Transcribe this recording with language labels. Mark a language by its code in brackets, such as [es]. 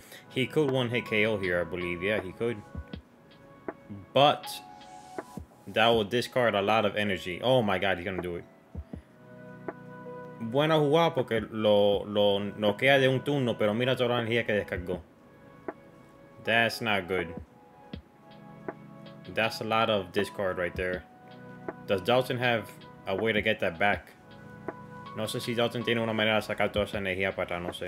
[en] He could one hit KO here, I believe. Yeah, he could. But that will discard a lot of energy. Oh my god, he's gonna do it. [es] Buena jugada porque lo noquea de un turno, pero mira toda la energía que descargó. [en] That's not good. That's a lot of discard right there. Does Dalton have a way to get that back? [es] No sé si Dalton tiene una manera de sacar toda esa energía para atrás.